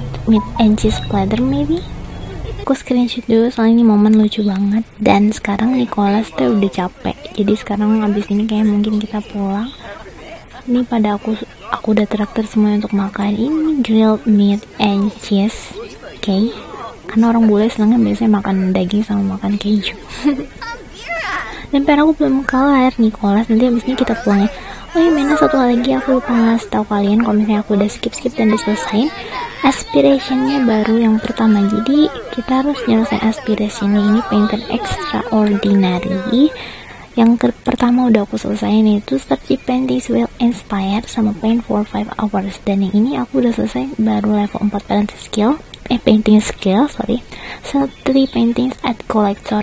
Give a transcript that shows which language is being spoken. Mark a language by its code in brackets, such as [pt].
[en] Meat and cheese platter maybe? [id] Aku screenshot dulu, soalnya ini momen lucu banget. Dan sekarang Nicholas tuh udah capek. Jadi sekarang abis ini kayak mungkin kita pulang. Ini pada aku udah traktir semuanya untuk makan. [en] Ini grilled meat and cheese. [id] Oke, okay. Karena orang bule senangnya biasanya makan daging sama makan keju. Dan PR aku belum kelar Nicholas. Nanti abis ini kita pulang ya. Oh iya, Mena, satu hal lagi aku lupa ngasih tau kalian. Kalau misalnya aku udah skip dan diselesain, aspirationnya baru yang pertama. Jadi kita harus nyelesain aspirationnya. [en] Ini painter extraordinary. [id] Yang pertama udah aku selesaiin itu [en] study paintings will inspire [id] sama [en] paint for 5 hours. [id] Dan yang ini aku udah selesai baru level 4 painting skill. [en] Study paintings at collector.